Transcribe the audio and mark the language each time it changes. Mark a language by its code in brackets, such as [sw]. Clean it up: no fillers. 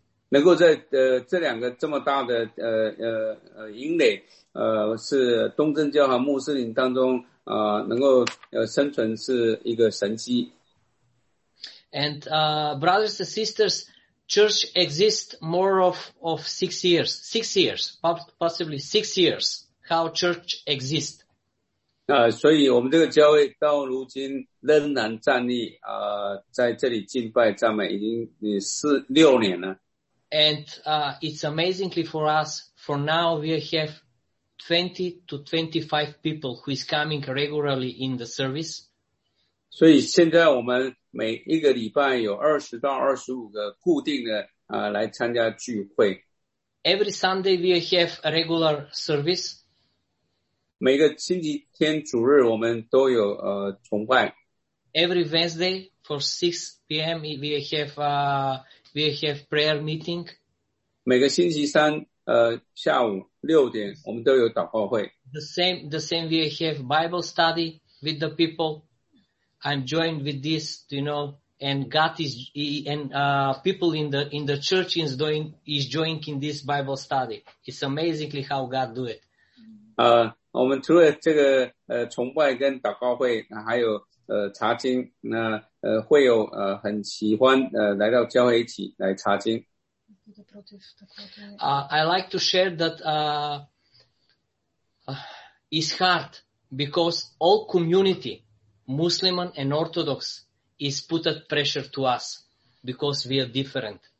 [zh] 能够在这两个这么大的营垒是东正教和穆斯林当中能够生存是一个神迹。 [en] And brothers and sisters, church exists more of six years, possibly 6 years, how church exists. [zh] 所以我们这个教会到如今仍然站立在这里敬拜赞美已经六年了。 [en] And, it's amazingly for us, for now we have 20 to 25 people who is coming regularly in the service. [zh] 所以现在我们每一个礼拜有20到25个固定的来参加聚会。 [en] Every Sunday we have a regular service. [zh] 每个星期天主日我们都有崇拜。 [en] Every Wednesday for 6 PM we have prayer meeting. [zh] 每个星期三下午6点我们都有祷告会。 [en] The same we have Bible study with the people. I'm joined with this, you know, and God is and people in the church is joining in this Bible study. It's amazingly how God do it. [zh] 我们除了这个崇拜跟祷告会还有查经那会有很喜欢来到教会一起来查经。 [en] I like to share that, it's hard because all community, Muslim and Orthodox, is put at pressure to us because we are different.、